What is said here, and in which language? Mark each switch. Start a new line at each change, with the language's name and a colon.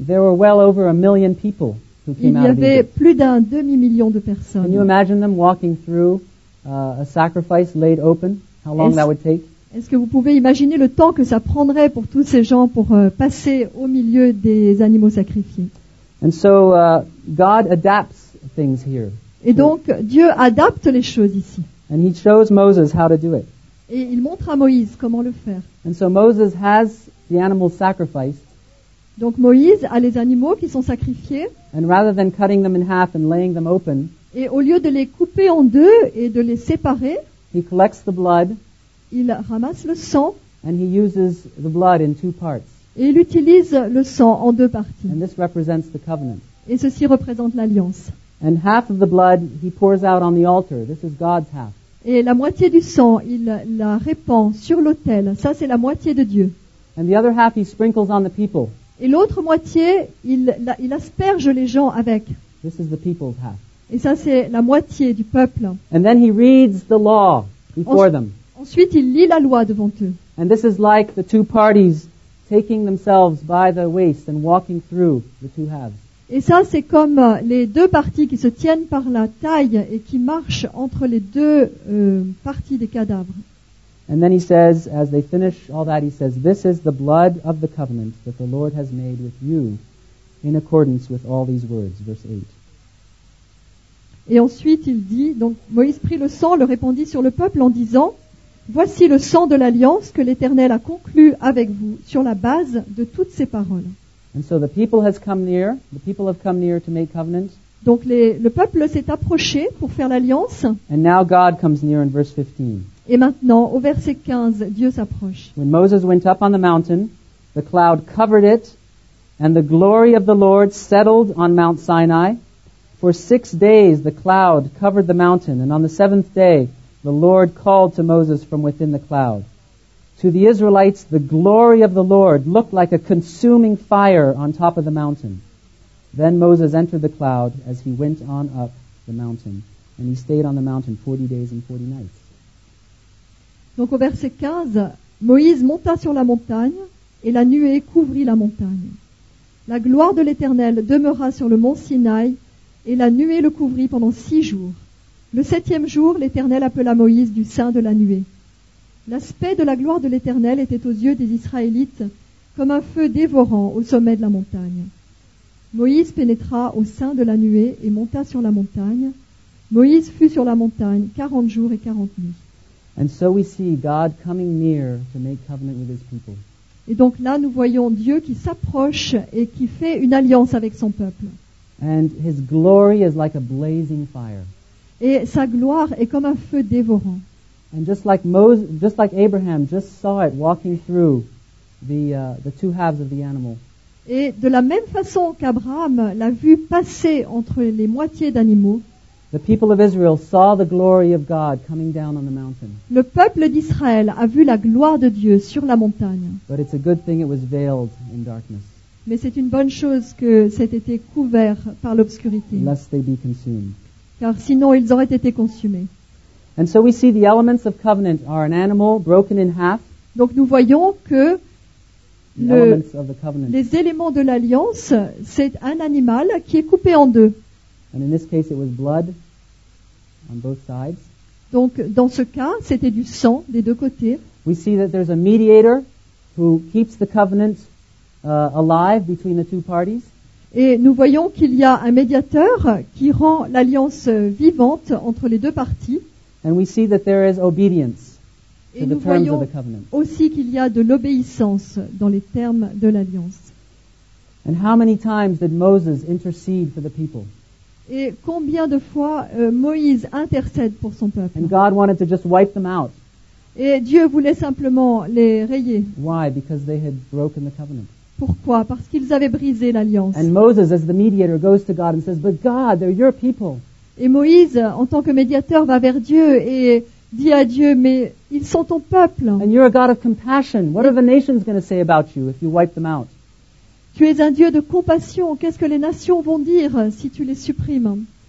English: There were well over a million people who came out of
French: Egypt. Il y avait plus d'un demi-million de personnes.
English: Can you imagine them walking through a sacrifice laid open? How long that would take?
French: Est-ce que vous pouvez imaginer le temps que ça prendrait pour tous ces gens pour passer au milieu des animaux sacrifiés?
English: And so God adapts things here.
French: Et donc Dieu adapte les choses ici.
English: And he shows Moses how to do it.
French: Et il montre à Moïse comment le faire.
English: And so Moses has the animals sacrificed.
French: Donc Moïse a les animaux qui sont sacrifiés.
English: And rather than cutting them in half and laying them open,
French: et au lieu de les couper en deux et de les séparer,
English: he collects the blood,
French: il ramasse le sang,
English: and he uses the blood in two parts.
French: Et il utilise le sang en deux parties.
English: And this represents the covenant.
French: Et ceci représente l'alliance.
English: And half of the blood he pours out on the altar. This is God's half.
French: Et la moitié du sang, il la répand sur l'autel. Ça, c'est la moitié de Dieu.
English: And the other half he sprinkles on the people.
French: Et l'autre moitié, il asperge les gens avec.
English: This is the people's half.
French: Et ça, c'est la moitié du peuple.
English: And then he reads the law before them.
French: Ensuite, il lit la loi devant eux.
English: And this is like the two parties taking themselves by the waist and walking through the two halves.
French: Et ça, c'est comme les deux parties qui se tiennent par la taille et qui marchent entre les deux parties des cadavres.
English: And then he says, as they finish all that, he says, "This is the blood of the covenant that the Lord has made with you in accordance with all these words." Verse 8.
French: Et ensuite il dit, donc Moïse prit le sang, le répandit sur le peuple en disant, "Voici le sang de l'alliance que l'Éternel a conclu avec vous sur la base de toutes ces paroles."
English: And so the people has come near. The people have come near to make covenant.
French: Donc le peuple s'est approché pour faire l'alliance.
English: And now God comes near in verse 15.
French: Et maintenant, au verset 15, Dieu s'approche.
English: When Moses went up on the mountain, the cloud covered it, and the glory of the Lord settled on Mount Sinai. For 6 days the cloud covered the mountain, and on the 7th day the Lord called to Moses from within the cloud. To the Israelites the glory of the Lord looked like a consuming fire on top of the mountain. Then Moses entered the cloud as he went on up the mountain, and he stayed on the mountain 40 days and 40 nights.
French: Donc au verset 15, Moïse monta sur la montagne et la nuée couvrit la montagne. La gloire de l'Éternel demeura sur le mont Sinaï et la nuée le couvrit pendant 6 jours. Le 7e jour, l'Éternel appela Moïse du sein de la nuée. L'aspect de la gloire de l'Éternel était aux yeux des Israélites comme un feu dévorant au sommet de la montagne. Moïse pénétra au sein de la nuée et monta sur la montagne. Moïse fut sur la montagne 40 jours et 40 nuits.
English: And so we see God coming near to make covenant with his people.
French: Et donc là nous voyons Dieu qui s'approche et qui fait une alliance avec son peuple.
English: And his glory is like a blazing fire.
French: Et sa gloire est comme un feu dévorant.
English: And just like Abraham just saw it walking through the two halves of the animal.
French: Et de la même façon qu'Abraham l'a vu passer entre les moitiés d'animaux.
English: The people of Israel saw the glory of God coming down on the mountain.
French: Le peuple d'Israël a vu la gloire de Dieu sur la montagne.
English: But it's a good thing it was veiled in darkness.
French: Mais c'est une bonne chose que c'ait été couvert par l'obscurité.
English: Lest they be consumed.
French: Car sinon ils auraient été consumés.
English: And so we see the elements of covenant are an animal broken in half.
French: Donc nous voyons que les éléments de l'alliance, c'est un animal qui est coupé en deux.
English: And in this case, it was blood on both sides.
French: Donc, dans ce cas, c'était du sang des deux côtés.
English: We see that there's a mediator who keeps the covenant alive between the two parties.
French: Et nous voyons qu'il y a un médiateur qui rend l'alliance vivante entre les deux parties.
English: And we see that there is obedience to the terms of the covenant.
French: Et nous voyons aussi qu'il y a de l'obéissance dans les termes de l'alliance.
English: And how many times did Moses intercede for the people?
French: Et combien de fois Moïse intercède pour son peuple?
English: And God wanted to just wipe them out.
French: Et Dieu voulait simplement les rayer.
English: Why? Because they had broken the covenant.
French: Pourquoi? Parce qu'ils avaient brisé l'alliance.
English: And Moses, as the mediator, goes to God and says, "But God, they're your people."
French: Et Moïse, en tant que médiateur, va vers Dieu et dit à Dieu, mais ils sont ton peuple.
English: And you're a God of compassion. What are the nations going to say about you if you wipe them out?
French: Tu es un Dieu de compassion. Qu'est-ce que les nations vont dire si tu les supprimes?